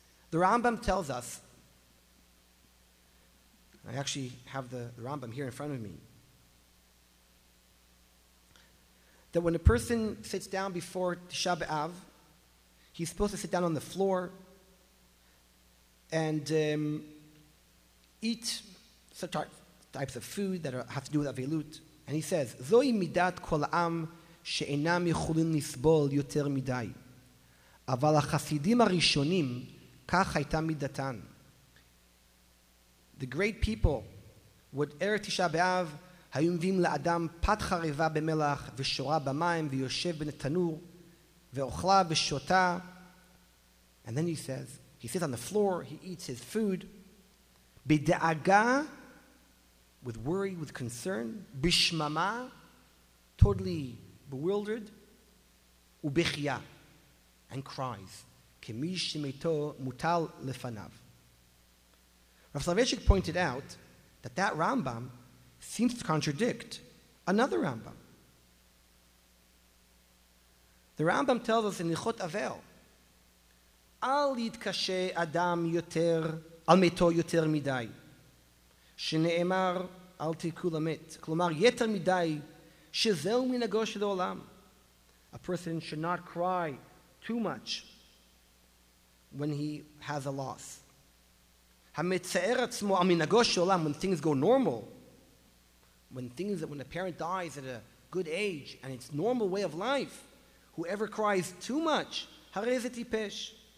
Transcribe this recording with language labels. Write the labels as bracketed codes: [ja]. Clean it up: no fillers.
[en] The Rambam tells us, I actually have the Rambam here in front of me, that when a person sits down before Tisha B'Av, he's supposed to sit down on the floor and eat certain types of food that have to do with Avilut. And he says, [he] "Zoi midat kol am שאינם יכולים לסבול יותר מדי. אבל החסידים הראשונים, כך הייתה מידתן. [en] The great people would [he] ערב תשעה באב, היו מביאים לאדם פת חריבה במלח ושורה במים ויושב בתנור ואוכלה ושותה. [en] And then he says, he sits on the floor, he eats his food. [he] בדאגה, [en] with worry, with concern, [he] בשממה, [en] totally bewildered, [he] ובחייה, [en] and cries, [he] כמי שמתו מוטל לפניו. [en] Rav Soloveitchik pointed out that that Rambam seems to contradict another Rambam. The Rambam tells us in Hilchot Avel, [he] אל יתקשה אדם יותר, על מתו יותר מדי, שנאמר, אל תיקחו למת. כלומר, יתר מדי, שזהו מנהגו של העולם. [en] A person should not cry too much when he has a loss. [he] המצער עצמו על מנהגו של העולם, [en] when things go normal, when a parent dies at a good age, and it's normal way of life, whoever cries too much, [he] הרי זה טיפש.